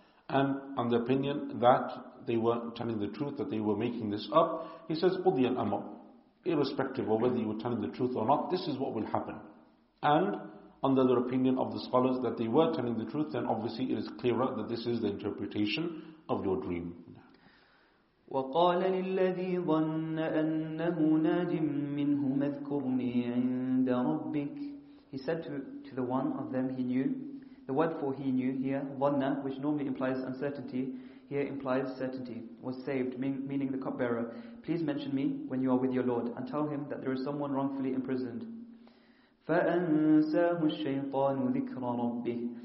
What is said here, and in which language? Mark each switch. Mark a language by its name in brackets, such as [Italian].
[English] And on the opinion that they were telling the truth, that they were making this up, he says, [Arabic] قُضِي الْأَمَرُ. [English] Irrespective of whether you were telling the truth or not, this is what will happen. And under the opinion of the scholars that they were telling the truth, then obviously it is clearer that this is the interpretation of your dream. [Arabic] وقال للذي ظن أنه ناج منه اذكرني عند ربك. [English] He said to the one of them he knew. The word for he knew here, ظنّ, which normally implies uncertainty, here implies certainty, was saved, meaning the cupbearer. Please mention me when you are with your Lord and tell him that there is someone wrongfully imprisoned. [Arabic] فأنساه الشيطان ذكر ربه.